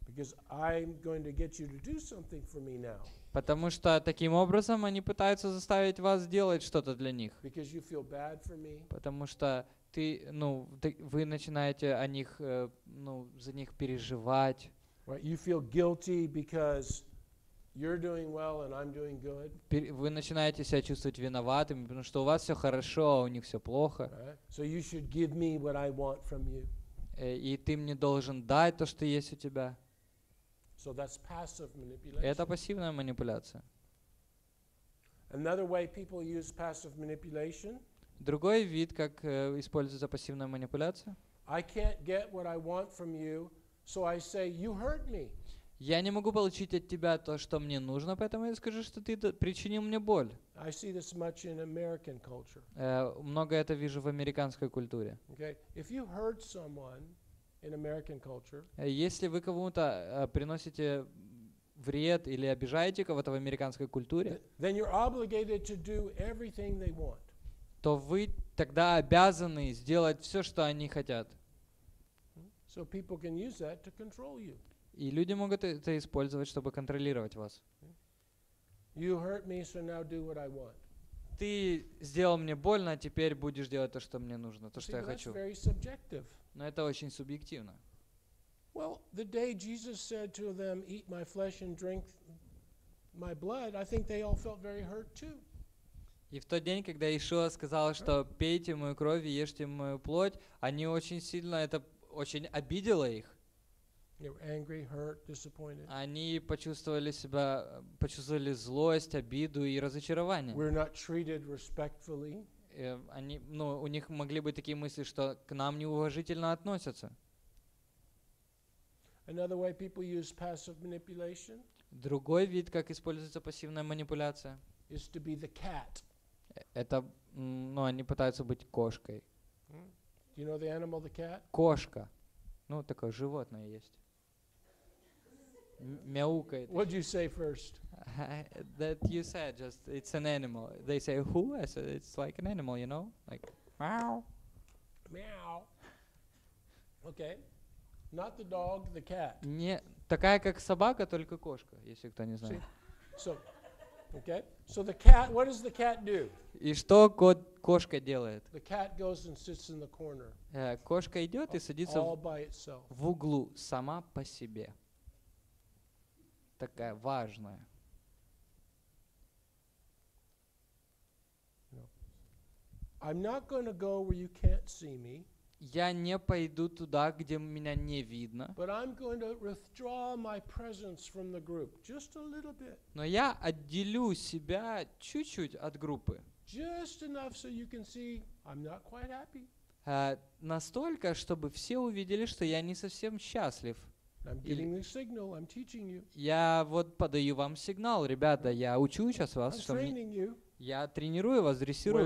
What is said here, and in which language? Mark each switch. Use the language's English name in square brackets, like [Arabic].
[English] Because I'm going to get you to do something for me now. [Russian] Потому что таким образом они пытаются заставить вас делать что-то для них. [English] Because you feel bad for me. [Russian] Потому что ты, ну, ты, вы начинаете о них, ну, за них переживать. [English] Right? You feel guilty because you're doing well and I'm doing good. [Russian] Вы начинаете себя чувствовать виноватыми, потому что у вас все хорошо, а у них все плохо. [English] So you should give me what I want from you. [Russian] И ты мне должен дать то, что есть у тебя. [English] So that's passive manipulation. [Russian] Это пассивная манипуляция. [English] Another way people use passive manipulation. [Russian] Другой вид, как используется пассивная манипуляция. [English] I can't get what I want from you, so I say you hurt me. [Russian] Я не могу получить от тебя то, что мне нужно, поэтому я скажу, что ты причинил мне боль. Много это вижу в американской культуре. Если вы кому-то приносите вред или обижаете кого-то в американской культуре, то вы тогда обязаны сделать все, что они хотят. [English] So people can use that to control you. [Russian] И люди могут это использовать, чтобы контролировать вас. [English] You hurt me, so now do what I want. [Russian] Ты сделал мне больно, а теперь будешь делать то, что мне нужно, то, [English] See, [Russian] что я хочу. [English] Very subjective. [Russian] Но это очень субъективно. [English] Well, the day Jesus said to them, eat my flesh and drink my blood, I think they all felt very hurt too. [Russian] И в тот день, когда Иисус сказал, что пейте мою кровь и ешьте мою плоть, они очень сильно это очень обидело их. [English] They were angry, hurt, disappointed. [Russian] Они почувствовали себя, почувствовали злость, обиду и разочарование. [English] We're not treated respectfully. [Russian] Они, ну, у них могли быть такие мысли, что к нам неуважительно относятся. [English] Another way people use passive manipulation. [Russian] Другой вид, как используется пассивная манипуляция. [English] Is to be the cat. [Russian] Это, ну, они пытаются быть кошкой. [English] Do you know the animal, the cat? [Russian] Кошка. Ну, такое животное есть. Мяукает. [English] What did you say first? That you said just, it's an animal. They say, who? I said, it's like an animal, you know? Like, meow. Meow. Okay. Not the dog, the cat. [Russian] Не, такая как собака, только кошка, если кто не знает. [English] So, okay. So the cat, what does the cat do? [Russian] И что кот, кошка делает? [English] The cat goes and sits in the corner. [Russian] Кошка идет и садится в углу сама по себе. Такая важная. [English] No. I'm not gonna go where you can't see me. [Russian] Я не пойду туда, где меня не видно. [English] But I'm going to withdraw my presence from the group just a little bit. [Russian] Но я отделю себя чуть-чуть от группы. [English] Just enough so you can see I'm not quite happy. [Russian] Настолько, чтобы все увидели, что я не совсем счастлив. [English] I'm giving the signal, I'm teaching you. [Russian] Я вот подаю вам сигнал, ребята, я учу сейчас вас, [English] I'm training you. [Russian] Я тренирую вас, дрессирую.